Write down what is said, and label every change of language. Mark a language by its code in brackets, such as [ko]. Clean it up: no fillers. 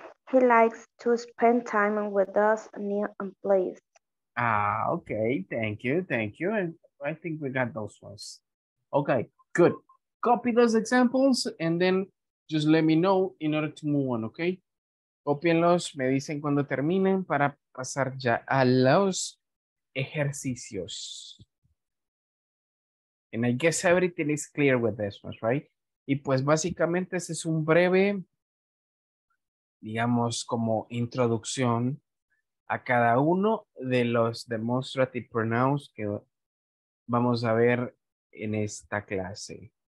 [en] He likes to spend time with us near and place. Okay. Thank you. Thank you. And I think we got those ones. Okay. Good. Copy those examples and then just let me know in order to move on. [es] Okay. Copienlos. Me dicen cuando terminen para pasar ya a los ejercicios. [en] And I guess everything is clear with this one, right? Y pues básicamente ese es un breve, digamos, como introducción a cada uno de los demonstrative pronouns que vamos a ver en esta clase.